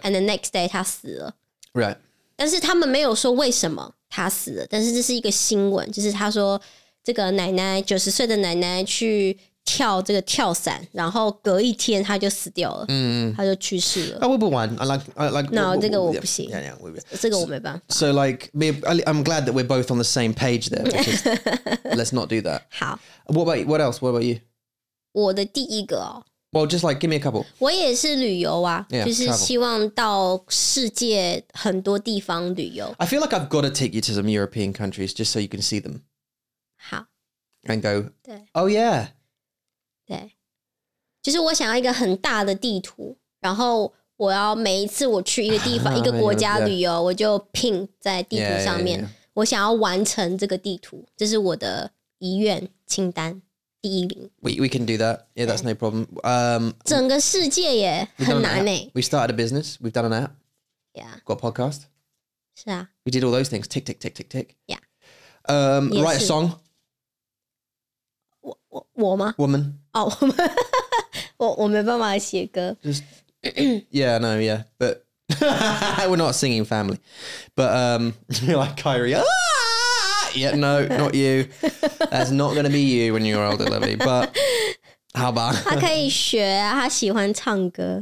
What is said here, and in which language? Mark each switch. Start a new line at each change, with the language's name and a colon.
English: And the next day
Chinese: 她死了
English: Right.
Chinese: 但是他们没有说为什么她死了但是这是一个新闻就是她说这个奶奶90岁的奶奶去跳这个跳伞，然后隔一天他就死掉了，他就去世了。
English: I would not want. I like. No, this one I can't. Yeah, yeah.
Chinese: 这个我没办法。
English: So like, I'm glad that we're both on the same page there. Because let's not do that.
Chinese: 好。
English: What about you? What else? What about you?
Chinese: 我的第一个哦。
English: Well, just like give me a couple.
Chinese: 我也是旅游啊，
English: yeah,
Chinese: 就是希望到世界很多地方旅游。
English: I feel like I've got to take you to some European countries just so you can see them.
Chinese: 好。
English: And go. Oh yeah.
Chinese: 对，就是我想要一个很大的地图，然后我要每一次我去一个地方、一个国家旅游，
English: yeah.
Chinese: 我就拼在地图上面。
English: Yeah, yeah, yeah.
Chinese: 我想要完成这个地图，这是我的遗愿清单第一名。
English: We can do that. Yeah, that's no problem.
Chinese: 整个世界耶，很难诶。
English: We started a business. We've done an app. Yeah. Got a podcast.
Chinese: 是啊。
English: We did all those things. Tick tick tick tick tick. Yeah. Write a song.
Chinese: 我吗
English: Woman.
Chinese: Oh, 我没办法写歌
English: Just, yeah, no, yeah. But we're not a singing family. But you're like Kyrie. Yeah, no, not you. That's not going to be you when you're older, Lovey. But how about?
Chinese: 他可以学啊他喜欢唱歌